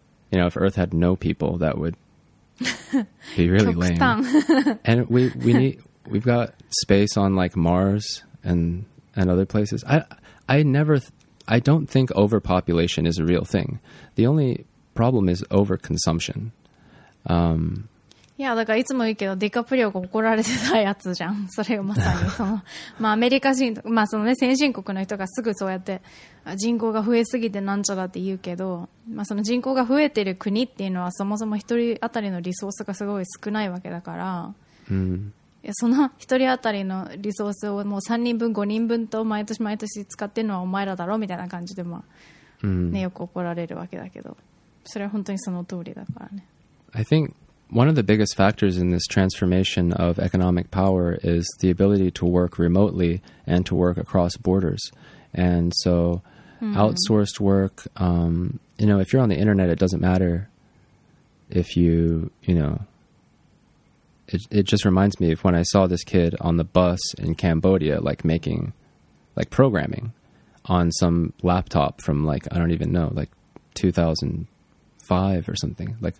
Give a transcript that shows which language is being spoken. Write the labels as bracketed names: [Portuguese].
[English] You know, if Earth had no people, that would be really lame. And we've got space on like Mars and other places. I don't think overpopulation is a real thing. The only problem is overconsumption. [Japanese] いやだからいつも言うけどディカプリオが怒られてたやつじゃん。それがまさにその、まあ、アメリカ人、まあそのね、先進国の人がすぐそうやって人口が増えすぎてなんちゃだって言うけど、まあ、その人口が増えてる国っていうのはそもそも一人当たりのリソースがすごい少ないわけだから、 mm. いやその一人当たりのリソースをもう3人分5人分と毎年毎年使ってるのはお前らだろみたいな感じで、まあね、よく怒られるわけだけど、それは本当にその通りだからね。 [English] I think one of the biggest factors in this transformation of economic power is the ability to work remotely and to work across borders. And so outsourced work, you know, if you're on the internet, it doesn't matter if you, you know, it just reminds me of when I saw this kid on the bus in Cambodia, like making, like programming on some laptop from like, I don't even know, like 2005 or something.